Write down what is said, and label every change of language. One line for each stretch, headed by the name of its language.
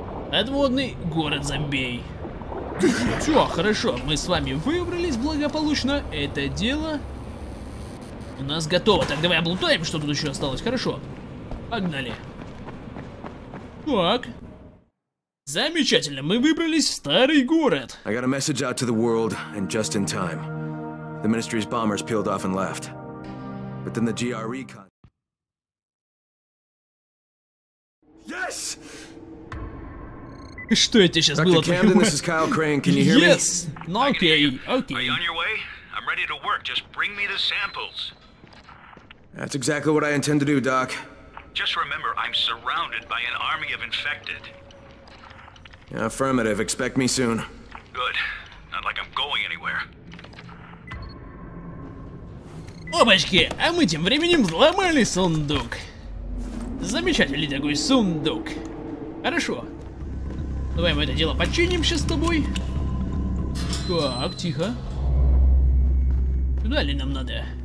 Russian: Подводный город зомбей. Все, хорошо, мы с вами выбрались благополучно, это дело... У нас готово. Так, давай облутаем, что тут еще осталось. Хорошо. Погнали. Так. Замечательно, мы выбрались в старый город.
English: I got a message out to the world, and just in time. The Ministry's bombers peeled off and left. But then the GRE... Yes!
Russian: Что это сейчас было?
English: Dr. Camden, this is Kyle Crane. Can you hear yes. me? Yes! No, okay, okay. Are you on your way? I'm ready to work. Just bring me the samples. That's exactly what I intend to do, Doc. Just remember, I'm surrounded by an army of infected. Affirmative. Expect me soon. Good. Not like I'm going anywhere.
Russian: Опачки, а мы тем временем взломали сундук. Замечательный такой сундук. Хорошо. Давай мы это дело починим сейчас с тобой. Так, тихо. Куда ли нам надо?